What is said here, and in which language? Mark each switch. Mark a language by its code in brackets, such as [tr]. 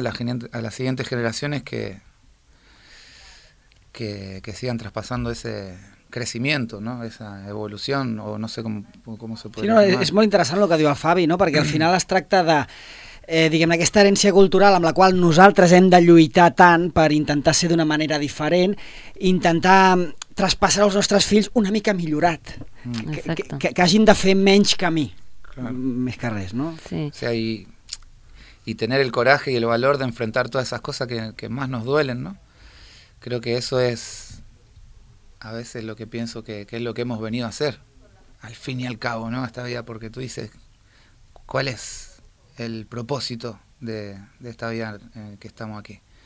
[es] A las siguientes generaciones que sigan traspasando ese crecimiento, ¿no? Esa evolución, o no sé cómo se puede... [ca] Sí, no, és molt interessant el que diu el Fabi, no? Perquè al final es tracta de... diguem, aquesta herència cultural amb la qual nosaltres hem de lluitar tant per intentar ser d'una manera diferent, intentar traspassar als nostres fills una mica millorat, que hagin de fer menys camí, claro. Més que res, no? Sí. [es] O sea, y tener el coraje y el valor de enfrentar todas esas cosas que más nos duelen, ¿no? Creo que eso es a veces lo que pienso que es lo que hemos venido a hacer, al fin y al cabo, ¿no? Esta vida, porque tú dices, ¿cuál es el propósito de esta vida que estamos aquí?